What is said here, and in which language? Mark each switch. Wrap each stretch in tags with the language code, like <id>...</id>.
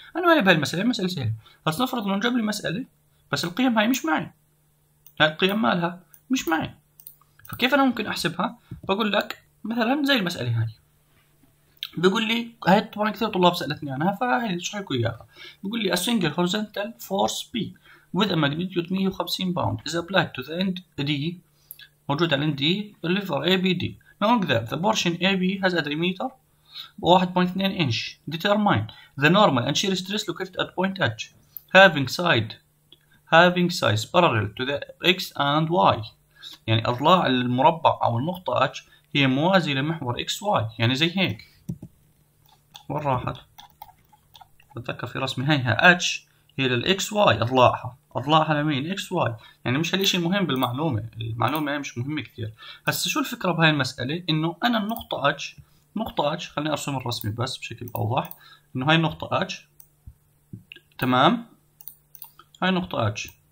<ar>انا مالي بهاي المساله، مساله سهله، بس نفرض انه جاب لي مساله بس القيم هاي مش معي، هاي القيم مالها مش معي، فكيف انا ممكن احسبها؟ بقول لك مثلا زي المساله هاي، بقول لي هاي طبعا كثير طلاب سالتني عنها فهي اشرح لكم اياها. بقول لي</ar> <en>a single horizontal force P with a magnitude 150 pound is applied to the end D،</en> <ar>موجود على الاند D liver ABD.</ar> <en>Knowing that the portion AB has a diameter 1.2 inch, determine the normal and shear stress located at point H having side having size parallel to the X and Y.</en> <ar>يعني اضلاع المربع او النقطة H هي موازية لمحور X Y، يعني زي هيك. وين راحت؟ بتذكر في رسمي هيها H هي لل X Y، اضلاعها، اضلاعها لمين؟ X Y. يعني مش هالشيء المهم بالمعلومة، المعلومة هي مش مهمة كثير. هسا شو الفكرة بهاي المسألة؟ انه انا النقطة H، نقطة H، خليني ارسم الرسمي بس بشكل اوضح، انه هاي النقطة H، تمام؟ هاي نقطة H،</ar>